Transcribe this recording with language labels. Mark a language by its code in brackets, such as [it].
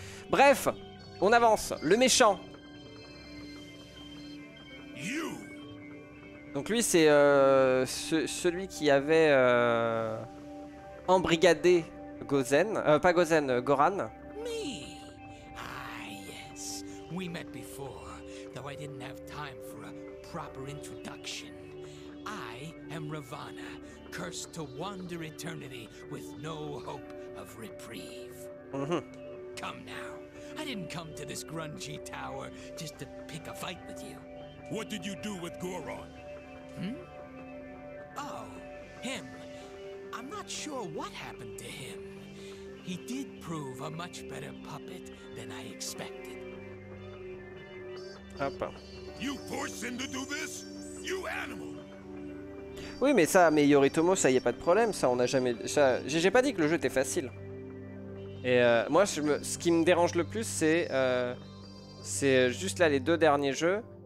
[fr] Bref, on avance. Le méchant. You. Donc lui, c'est celui qui avait embrigadé Gozen. Pas Gozen, Goran. [en] Me. Ah, yes. We met before, though I didn't have time for a proper introduction. I am Ravana, cursed to wander eternity with no hope of reprieve. Mm-hmm. Come now. I didn't come to this grungy tower just to pick a fight with you. What did you do with Goron? Hmm? Oh, him. I'm not sure what happened to him. He did prove a much better puppet than I expected. Hop. You forced him to do this? You animal! [fr] Oui, mais ça, mais Yoritomo, ça y est pas de problème, ça on a jamais. Ça, j'ai pas dit que le jeu était facile. Et moi, ce qui me dérange le plus, c'est juste là les deux derniers jeux.